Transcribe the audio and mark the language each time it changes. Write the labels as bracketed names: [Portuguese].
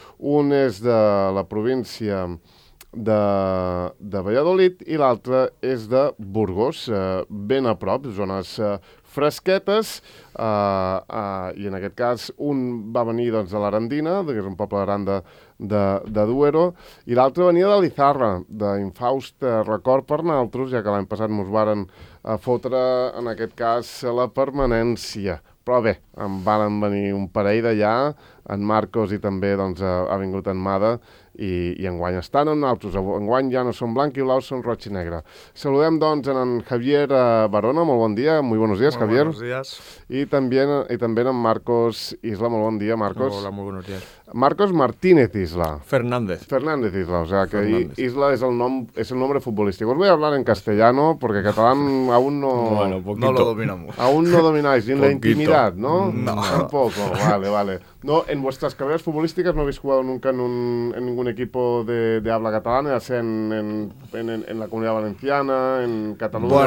[Catalan] Un és de la província de Valladolid i l'altre és de Burgos, ben a prop, zones fresquetes, i en aquest cas un va venir doncs, de l'Arandina, que és un poble gran de Duero, i l'altre venia de Lizarra, d'Infaust Record per naltros, ja que l'any passat mos varen fotre, en aquest cas, la permanència. Però bé, en varen venir un parell d'allà, en Marcos i també doncs, ha vingut en Mada, i enguany estan en naltros, enguany ja no són blanc i blau, són roig i negre. Saludem doncs en Javier Barona, molt bon dia, [Spanish] muy buenos días, [Catalan] Javier. [Spanish] Buenos días. [Catalan] I també en Marcos Isla, molt bon dia, Marcos. [Spanish] Hola, muy buenos días. Marcos Martínez Isla. Fernández. Fernández Isla, o sea que Fernández. [Catalan] Isla és el nom, és el nombre futbolístic. [Spanish] Os voy a hablar en castellano, porque català aún no... Bueno, poquito. No lo dominamos. Aún no domináis, ni la intimidad, ¿no? No. Tampoco, vale, vale. No, en vuestras carreras futbolísticas no habéis jugado nunca en ningún equipo de habla catalana, ya sea en la Comunidad Valenciana, en Cataluña...